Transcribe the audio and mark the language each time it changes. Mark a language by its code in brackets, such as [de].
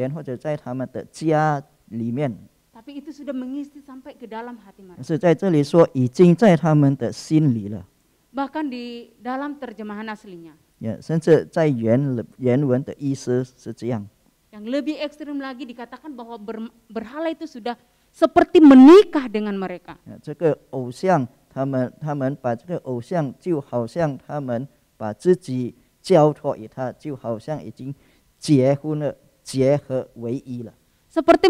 [zh] 这个偶像不止在他们的眼前或者在他们的家里面。 [id] Tapi itu sudah mengisi sampai ke dalam hati mereka. [zh] 是在这里说已经在他们的心里了。 [id] Bahkan di dalam terjemahan aslinya. [zh] Ya, 甚至在原文的意思是这样。 [id] Yang lebih ekstrim lagi dikatakan bahwa berhala itu sudah seperti menikah dengan mereka. [zh] Ya, 这个偶像 他们把这个偶像就好像他们把自己交托于他，就好像已经结婚了，结合为一了。seperti